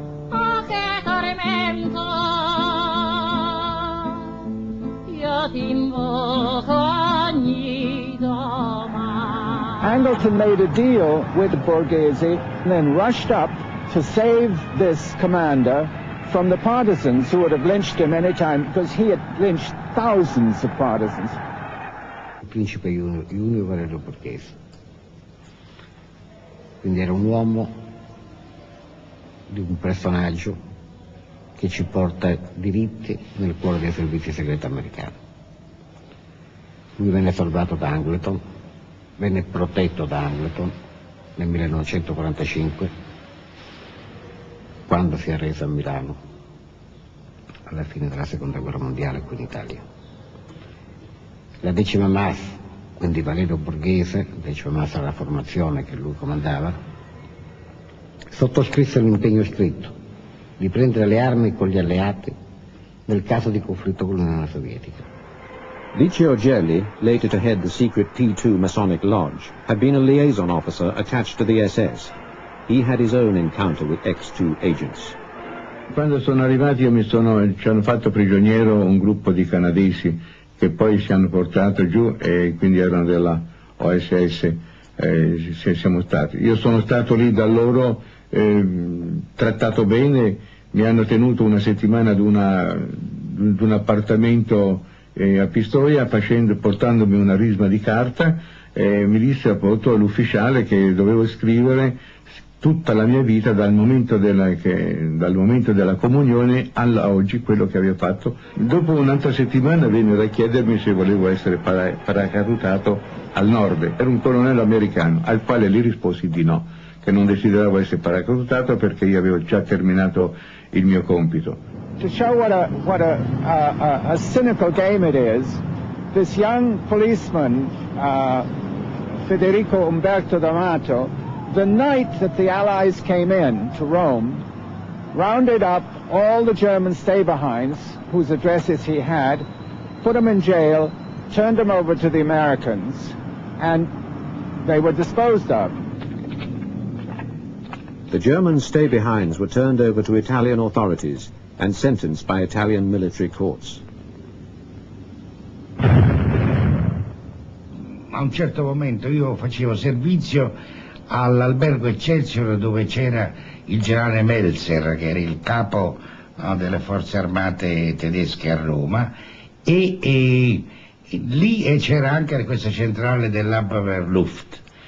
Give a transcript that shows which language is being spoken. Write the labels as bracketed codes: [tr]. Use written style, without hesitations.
[it] Oh, che tormento, io ti invoco ogni domani. [en] Angleton made a deal with Borghese and then rushed up to save this commander from the partisans who would have lynched him any time, because he had lynched thousands of partisans. [it] Il principe Junior Valerio Borghese. Quindi era un uomo di un personaggio che ci porta diritti nel cuore dei servizi segreti americani. Lui venne salvato da Angleton, venne protetto da Angleton nel 1945, quando si è reso a Milano, alla fine della Seconda Guerra Mondiale qui in Italia. La decima MAS, quindi Valerio Borghese, la decima MAS era la formazione che lui comandava, sottoscrisse l'impegno scritto di prendere le armi con gli alleati nel caso di conflitto con l'Unione Sovietica. [en] Licio Gelli, later to head the secret P2 Masonic Lodge, had been a liaison officer attached to the SS. He had his own encounter with X-2 agents. [it] Quando sono arrivati ci hanno fatto prigioniero un gruppo di canadesi che poi si hanno portato giù e quindi erano della OSS, siamo stati. Io sono stato lì da loro, trattato bene, mi hanno tenuto una settimana d'un appartamento a Pistoia portandomi una risma di carta e mi disse appunto l'ufficiale che dovevo scrivere tutta la mia vita dal momento della comunione alla oggi, quello che avevo fatto. Dopo un'altra settimana vennero a chiedermi se volevo essere paracadutato al nord. Era un colonnello americano, al quale gli risposi di no, che non desideravo essere paracadutato perché io avevo già terminato il mio compito. [en] To show what a cynical game it is, this young policeman, Federico Umberto D'Amato, the night that the Allies came in to Rome, rounded up all the German stay-behinds, whose addresses he had, put them in jail, turned them over to the Americans, and they were disposed of. The German stay-behinds were turned over to Italian authorities and sentenced by Italian military courts. [it] A un certo momento io facevo servizio all'albergo Excelsior dove c'era il generale Meltzer, che era il capo delle forze armate tedesche a Roma, e lì c'era anche questa centrale dell'Abwehrluft.